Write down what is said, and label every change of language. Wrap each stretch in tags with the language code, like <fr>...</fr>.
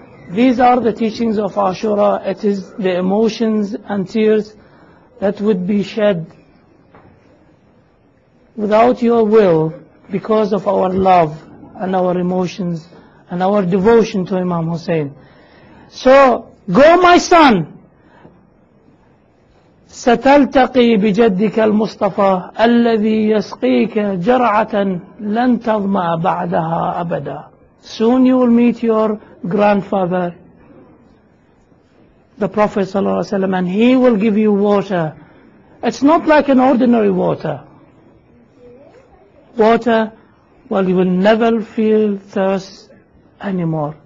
<en>These are the teachings of Ashura. It is the emotions and tears that would be shed without your will because of our love and our emotions and our devotion to Imam Hussein. So, go my son.</en> <ar>ستلتقي بجدك المصطفى الذي يسقيك جرعة لن تظمأ بعدها أبدا.</ar> <en>Soon you will meet your grandfather, the Prophet sallallahu alaihi wasallam, and he will give you water. It's not like an ordinary water. Water, well, you will never feel thirst anymore.</en>